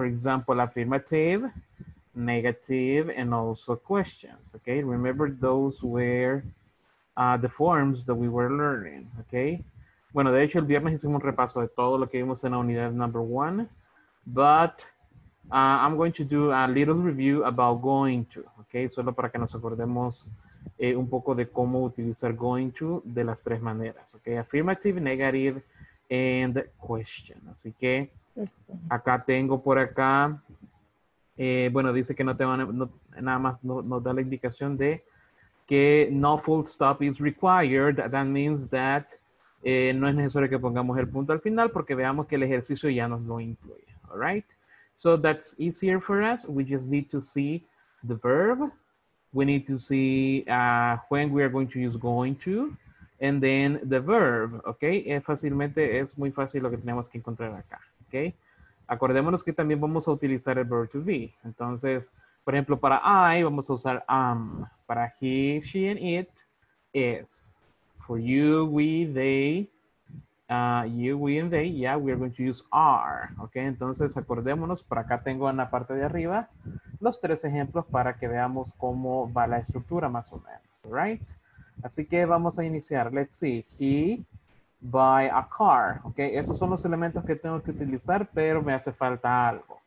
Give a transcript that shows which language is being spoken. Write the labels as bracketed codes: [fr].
[en] For example, affirmative, negative, and also questions, okay? Remember those were the forms that we were learning, okay? [es] Bueno, de hecho, el viernes hicimos un repaso de todo lo que vimos en la unidad [en] number one. But I'm going to do a little review about going to, okay? [es] Solo para que nos acordemos un poco de cómo utilizar going to de las tres maneras, okay? [en] Affirmative, negative, and question. [es] Así que acá tengo por acá, bueno, dice que no te van a, no, nada más nos da la indicación de que no [en] full stop is required. That means that [es] no es necesario que pongamos el punto al final porque veamos que el ejercicio ya nos lo incluye. [en] All right? So that's easier for us. We just need to see the verb. We need to see when we are going to use going to. And then the verb. Okay? [es] Fácilmente es muy fácil lo que tenemos que encontrar acá. Okay? Acordémonos que también vamos a utilizar el verb to be. Entonces, por ejemplo, para I vamos a usar am. [en] Para he, she, and it is. For you, we, they, You, we, and they, yeah, we are going to use are. [es] Ok, entonces acordémonos, por acá tengo en la parte de arriba los tres ejemplos para que veamos cómo va la estructura más o menos. [en] Right? [es] Así que vamos a iniciar. [en] Let's see. He buy a car. [es] Ok, esos son los elementos que tengo que utilizar, pero me hace falta algo.